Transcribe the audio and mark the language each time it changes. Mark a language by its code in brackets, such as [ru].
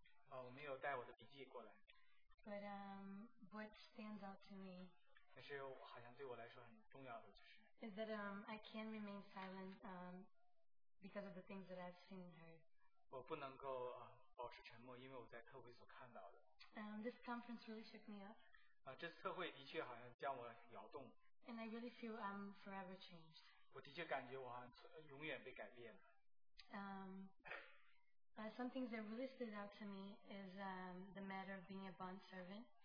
[zh] 我没有带我的笔记过来. [en] But what stands out to me [zh] 但是好像对我来说很重要的就是, [en] is that I can remain silent because of the things that I've seen and heard. [zh] 我不能够, 保持沉默, 因为我在特会所看到的. [en] This conference really shook me up. [zh] 这次特会的确好像将我摇动. [en] And I really feel I'm forever changed. [zh] 我的确感觉我好像永远被改变了. [en] Some things that really stood out to me is the matter of being a bond servant.